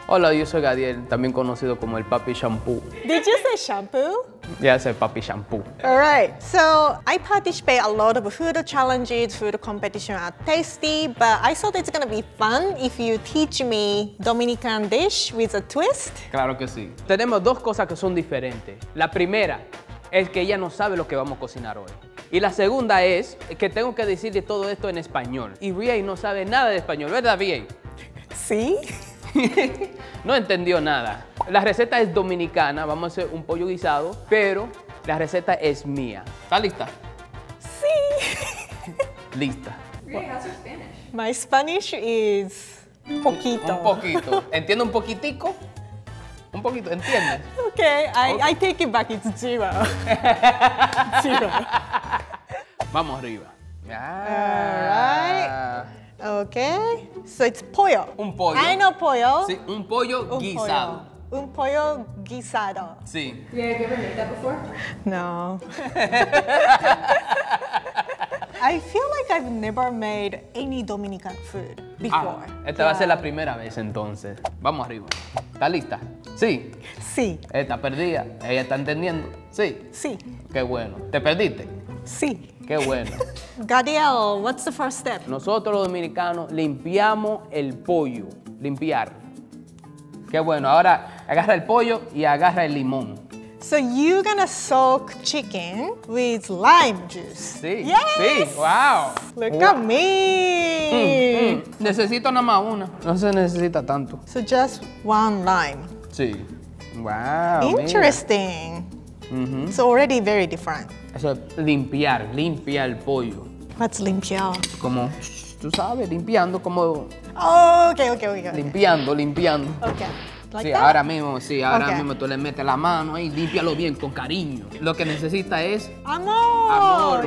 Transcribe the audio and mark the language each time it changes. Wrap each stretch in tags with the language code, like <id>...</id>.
<es>Hola, yo soy Gadiel, también conocido como el Papi Shampoo.</es> <en>Did you say shampoo? Yes, el Papi Shampoo. All right. So I participate a lot of food challenges, food competition at Tasty, but I thought it's gonna be fun if you teach me Dominican dish with a twist.</en> <es>Claro que sí. Tenemos dos cosas que son diferentes. La primera es que ella no sabe lo que vamos a cocinar hoy. Y la segunda es que tengo que decirle todo esto en español. Y Rie no sabe nada de español, ¿verdad, Rie? Sí. No entendió nada. La receta es dominicana, vamos a hacer un pollo guisado, pero la receta es mía. ¿Está lista? Sí. Lista. Rie, ¿cómo es tu español?</es> <en>My Spanish is poquito.</en> <es>Un poquito. ¿Entiendo un poquitico? Un poquito, ¿entiendes?</es> <en>Okay, I take it back, it's zero. Zero.</en> <es>Vamos arriba.</es> <en>Alright. Okay. So it's pollo.</en> <es>Un pollo.</es> <en>I know pollo.</en> <es>Sí, un pollo un guisado. Pollo. Un pollo guisado. Sí.</es> <en>Yeah, have you ever made that before? No. I feel like I've never made any Dominican food before.</en> <es>Ah, esta va a ser la primera vez entonces. Vamos arriba. ¿Está lista? Sí. Sí. Está perdida. Ella está entendiendo. Sí. Sí. Qué bueno. ¿Te perdiste? Sí. Qué bueno.</es> <en>Gadiel, what's the first step?</en> <es>Nosotros los dominicanos limpiamos el pollo. Limpiar. Qué bueno. Ahora agarra el pollo y agarra el limón.</es> <en>So you're gonna soak chicken with lime juice.</en> <es>Sí.</es> <en>Yes.</en> <es>Sí. Wow.</es> <en>Look wow. at me.</en> <es>Necesito nada más una. No se necesita tanto.</es> <en>So just one lime.</en> <es>Sí. Wow.</es> <en>Interesting. Mm-hmm. It's already very different.</en> <es>Eso es limpiar, limpia el pollo.</es> <en>What's limpiar?</en> <es>Como, tú sabes, limpiando como.</es> <en>Okay.</en> <es>Limpiando, limpiando.</es> <en>Okay. Like</en> <es>sí,</es> <en>that?</en> <es>Ahora mismo, sí, ahora okay. mismo tú le metes la mano ahí, límpialo bien con cariño. Lo que necesita es amor,</es>